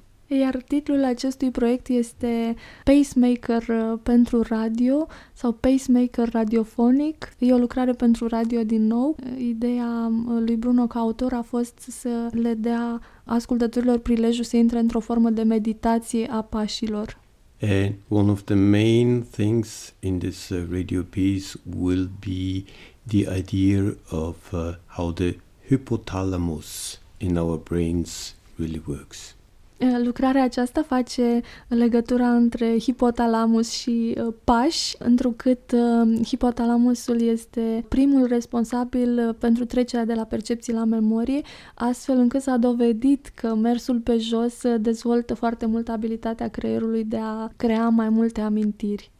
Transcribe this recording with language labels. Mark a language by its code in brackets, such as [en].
[ro] Iar titlul acestui proiect este Pacemaker pentru radio sau Pacemaker radiofonic. E o lucrare pentru radio din nou. Ideea lui Bruno ca autor a fost să le dea ascultătorilor prilejul să intre într-o formă de meditație a pașilor. [en] And one of the main things in this radio piece will be the idea of how the hypothalamus in our brains really works. [ro] Lucrarea aceasta face legătura între hipotalamus și pași, întrucât hipotalamusul este primul responsabil pentru trecerea de la percepții la memorie, astfel încât s-a dovedit că mersul pe jos dezvoltă foarte mult abilitatea creierului de a crea mai multe amintiri.